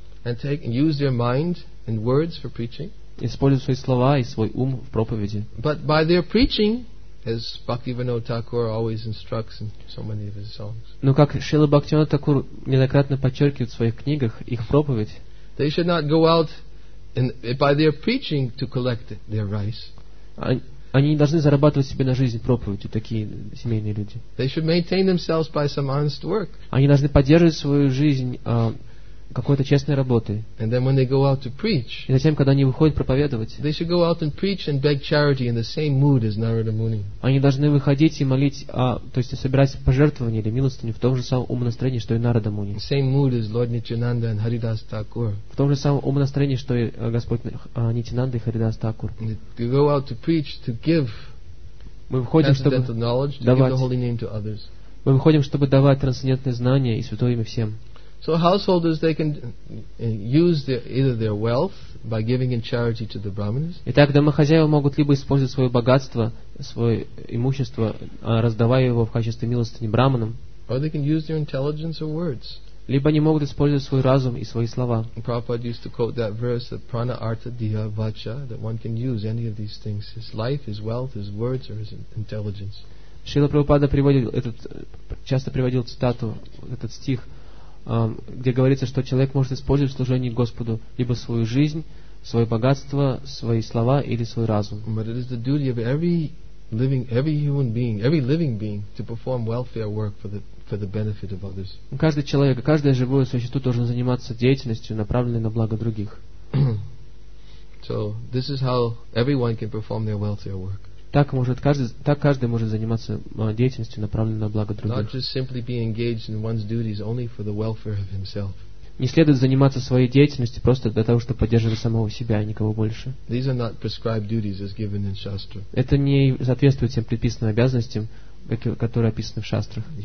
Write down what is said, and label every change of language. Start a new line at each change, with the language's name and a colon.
English: And take and use their mind and words for preaching.
Russian: Используют свои слова и свой ум в проповеди.
English: But by their preaching, as Bhaktivinoda Thakur always instructs in so many of his songs.
Russian: Но как Шрила Бхактивинода Тхакур неоднократно подчеркивает в своих книгах их проповедь.
English: They should not go out and by their preaching to collect their rice.
Russian: Они не должны зарабатывать себе на жизнь проповедью, такие семейные люди.
English: They should maintain themselves by some honest work.
Russian: Они должны поддерживать свою жизнь какой-то честной работы.
English: And then when they go out to preach,
Russian: и затем, когда они выходят проповедовать,
English: they should go out and preach and beg charity in the same mood as Narada Muni.
Russian: Они должны выходить и молить, то есть собирать пожертвования или милостыню в том же самом ум настроении, что и Narada Muni.
English: The same mood as Lord Nityananda and Haridas Thakur.
Russian: В том же самом ум настроении, что и Господь Нитинанда и Харидас Такур.
English: They go out to preach to give.
Russian: Мы выходим, чтобы давать
English: the holy name to others.
Russian: Мы выходим, чтобы давать трансцендентные знания и святое имя всем.
English: So householders, they can use either their wealth by giving in charity to the Brahmins.
Russian: Итак, домохозяева могут либо использовать свое богатство, свое имущество, раздавая его в качестве милостыни Брахманам.
English: Or they can use their intelligence or words.
Russian: Либо они могут использовать свой разум и свои слова.
English: Prabhupada used to quote that verse, that prana artha diha vacha, that one can use any of these things, his life, his wealth, his words, or his intelligence.
Russian: Шрила Прабхупада часто приводил цитату, этот стих, где говорится, что человек может использовать в служении Господу либо свою жизнь, свое богатство, свои слова или свой разум.
English: But it is the duty of every living being to perform welfare work for the benefit of others.
Russian: Каждый человек, каждое живое существо должно заниматься деятельностью, направленной на благо других.
English: So this is how everyone can perform their welfare work.
Russian: Так каждый может заниматься деятельностью, направленной на благо других. Не следует заниматься своей деятельностью просто для того, чтобы поддерживать самого себя и никого больше. Это не соответствует тем предписанным обязанностям, которые описаны в шастрах.